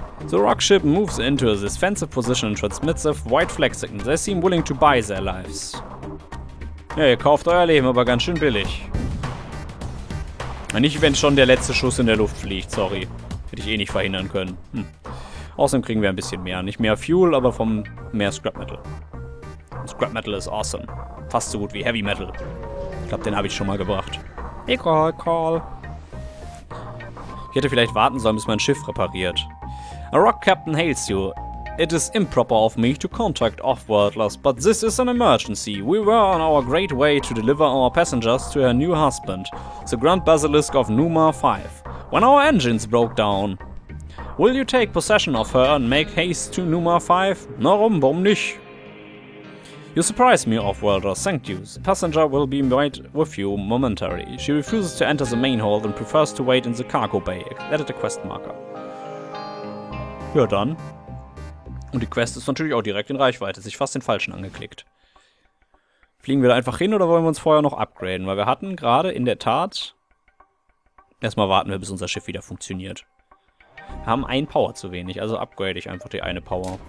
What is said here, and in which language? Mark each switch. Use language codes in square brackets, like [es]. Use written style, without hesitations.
[en] The rockship moves into a defensive position and transmits a white flag signal. They seem willing to buy their lives. [de] Ja, ihr kauft euer Leben aber ganz schön billig. Nicht, wenn schon der letzte Schuss in der Luft fliegt, sorry. Hätte ich eh nicht verhindern können. Außerdem kriegen wir ein bisschen mehr. Nicht mehr Fuel, aber vom mehr Scrap Metal. Scrap Metal ist awesome. Fast so gut wie Heavy Metal. Ich glaube, den habe ich schon mal gebracht. Recall, call. Ich hätte vielleicht warten sollen, bis mein Schiff repariert. [en] A rock captain hails you. It is improper of me to contact off-worlders, but this is an emergency. We were on our great way to deliver our passengers to her new husband, the Grand Basilisk of Numa 5, when our engines broke down. Will you take possession of her and make haste to Numa 5? [de] Warum, warum nicht? [en] You surprise me, off-worlder. Thank you. The passenger will be right with you momentarily. She refuses to enter the main hold and prefers to wait in the cargo bay. Edit a quest marker. [de] Ja, dann. Und die Quest ist natürlich auch direkt in Reichweite. Sich fast den Falschen angeklickt. Fliegen wir da einfach hin oder wollen wir uns vorher noch upgraden? Weil wir hatten gerade in der Tat... Erstmal warten wir, bis unser Schiff wieder funktioniert. Wir haben ein Power zu wenig, also upgrade ich einfach die eine Power.